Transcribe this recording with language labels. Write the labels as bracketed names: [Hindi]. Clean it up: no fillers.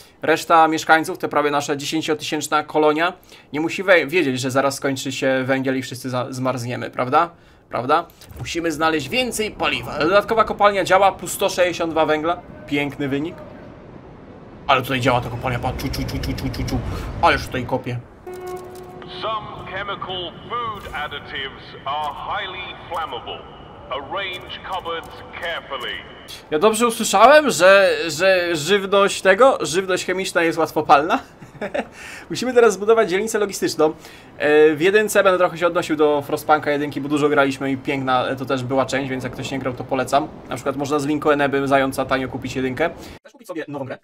[Polish] Reszta mieszkańców, to prawie nasza 10-tysięczna kolonia, nie musi wiedzieć, że zaraz skończy się węgiel i wszyscy zmarzniemy, prawda? Prawda? Musimy znaleźć więcej paliwa. Dodatkowa kopalnia działa, plus 162 węgla. Piękny wynik. Ale tutaj działa ta kopalnia, pa, czu, czu, czu, czu, czu, czu, czu. Ależ tutaj kopie. [English] Some chemical food additives are highly flammable. Arrange cupboards carefully. [Polish] Ja dobrze usłyszałem, że żywność chemiczna jest łatwopalna. Musimy teraz zbudować dzielnicę logistyczną. W jedynce będę trochę się odnosił do Frostpunka jedynki, bo dużo graliśmy i piękna to też była część, więc jak ktoś nie grał, to polecam. Na przykład można z linku Enebę zająca tanio kupić jedynkę. Chcesz kupić sobie nową grę?